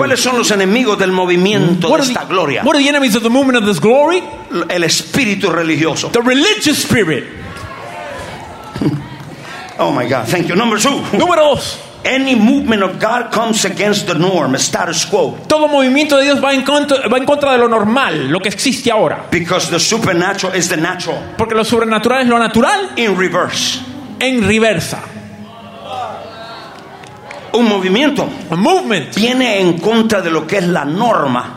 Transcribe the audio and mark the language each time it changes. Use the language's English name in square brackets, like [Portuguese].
[Spanish] ¿Cuáles son los enemigos del movimiento de esta gloria? [English] What are the enemies of the movement of this glory? [Spanish] El espíritu religioso. [English] The religious spirit. Oh my God. Thank you. Number two. [Spanish] Número dos. [English] Any movement of God comes against the norm, status quo. [Spanish] Todo movimiento de Dios va en contra de lo normal, lo que existe ahora. [English] Because the supernatural is the natural. [Spanish] Porque lo sobrenatural es lo natural. [English] In reverse. [Spanish] En reversa. Un movimiento. [English] A movement. [Spanish] Viene en contra de lo que es la norma.